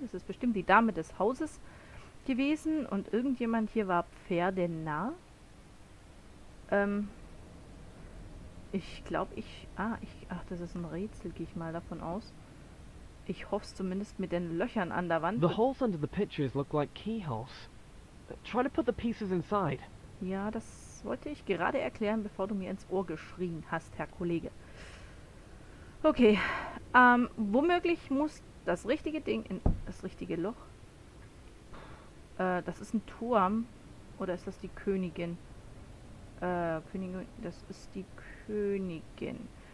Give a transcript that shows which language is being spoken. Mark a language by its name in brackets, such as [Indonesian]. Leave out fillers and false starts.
[German] Das ist bestimmt die Dame des Hauses gewesen. Und irgendjemand hier war Pferdenarr. Ich glaube, ach, das ist ein Rätsel, gehe ich mal davon aus. Ich hoffe es zumindest mit den Löchern an der Wand. [English] The holes under the pictures look like keyholes. Try to put the pieces inside. [German] Ja, das wollte ich gerade erklären, bevor du mir ins Ohr geschrien hast, Herr Kollege. Okay, womöglich muss das richtige Ding in das richtige Loch. Das ist ein Turm. Oder ist das die Königin? Königin, das ist die Königin.